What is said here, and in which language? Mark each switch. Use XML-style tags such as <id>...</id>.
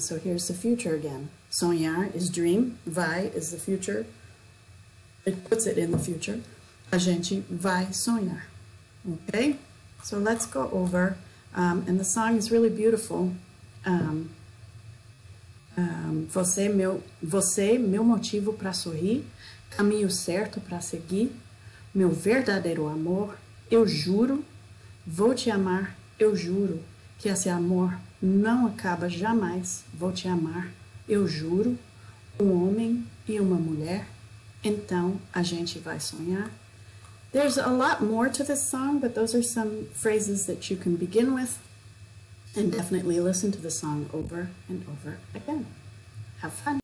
<en>So here's the future again. Sonhar is dream. Vai is the future. It puts it in the future.</en> <pt>A gente vai sonhar.</pt> <en>Okay? So let's go over. And the song is really beautiful.</en> <pt>Você, meu motivo para sorrir. Caminho certo para seguir. Meu verdadeiro amor. Eu juro. Vou te amar. Eu juro que esse amor não acaba jamais. Vou te amar. Eu juro. Um homem e uma mulher. Então, a gente vai sonhar.</pt> <en>There's a lot more to this song, but those are some phrases that you can begin with. And definitely listen to the song over and over again. Have fun.</en>